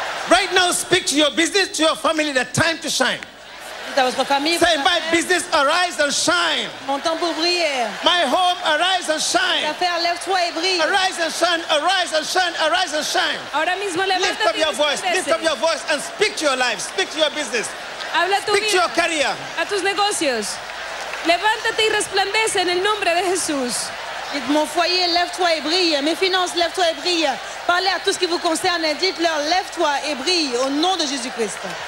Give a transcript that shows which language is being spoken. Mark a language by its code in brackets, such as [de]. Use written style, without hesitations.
[en] Right now, speak to your business, to your family, the time to shine. Say, my business, arise and shine. My home, arise and shine. Arise and shine, arise and shine, arise and shine. Lift up your voice and speak to your life, speak to your business. Speak to your career. [es] A tus negocios. Levántate y resplandece en el nombre de Jesús. [fr] Dites mon foyer, lève-toi et brille. Mes finances, lève-toi et brille. Parlez à tout ce qui vous concerne et dites-leur, lève-toi et brille au nom de Jésus-Christ.